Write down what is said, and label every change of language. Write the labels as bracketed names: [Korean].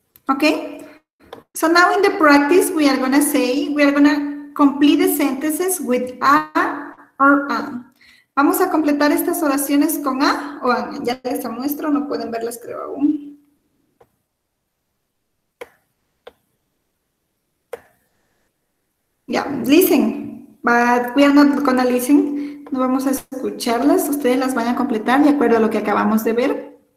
[English] Okay, so now in the practice, we are going to say, we are going to complete the sentences with a or an. [Spanish] Vamos a completar estas oraciones con a o an. Ya les muestro, no pueden verlas creo aún. [English] Yeah, listen, but we are not going to listen. [Spanish] No vamos a escucharlas, ustedes las van a completar de acuerdo a lo que acabamos de ver.